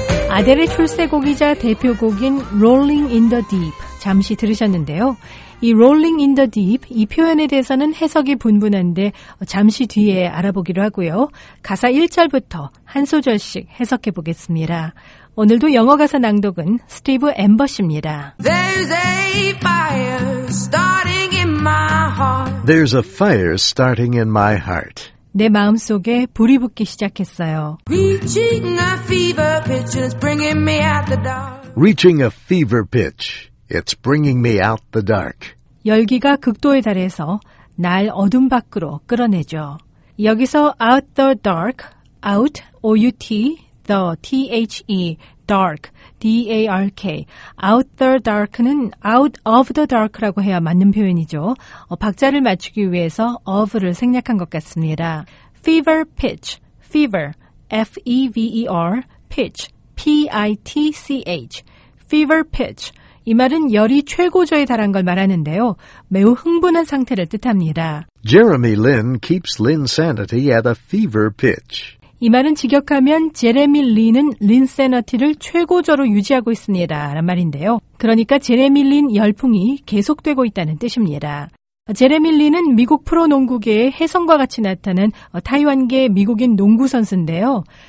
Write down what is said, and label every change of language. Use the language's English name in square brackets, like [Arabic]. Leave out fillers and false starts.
[Korean] 아델의 출세곡이자 대표곡인 Rolling in the Deep 잠시 들으셨는데요. 이 Rolling in the Deep 이 표현에 대해서는 해석이 분분한데 잠시 뒤에 알아보기로 하고요. 가사 1절부터 한 소절씩 해석해 보겠습니다. 오늘도 영어 가사 낭독은 스티브 앰버시입니다. [English] There's a fire starting in my heart. There's a fire starting in my heart. [Korean] 내 마음 속에 불이 붙기 시작했어요. [English] Reaching a fever pitch is bringing me out the dark. Reaching a fever pitch, it's bringing me out the dark. [Korean] 열기가 극도에 달해서 날 어둠 밖으로 끌어내죠. [English] 여기서 out the dark, out, O-U-T, the, T-H-E, dark, D-A-R-K. Out the dark [Korean] 는 [English] out of the dark [Korean] 라고 해야 맞는 표현이죠. 박자를 맞추기 위해서 of를 생략한 것 같습니다. [English] Fever pitch, fever, F-E-V-E-R, pitch, P-I-T-C-H. Fever pitch, [Korean] 이 말은 열이 최고조에 달한 걸 말하는데요. 매우 흥분한 상태를 뜻합니다. [English] Jeremy Lin keeps Lin's sanity at a fever pitch. [Korean] 이 말은 직역하면 제레미 린은 린 세너티를 최고조로 유지하고 있습니다. 라는 말인데요. 그러니까 제레미 린 열풍이 계속되고 있다는 뜻입니다. 제레미 린은 미국 프로농구계의 혜성과 같이 나타난 타이완계 미국인 농구 선수인데요.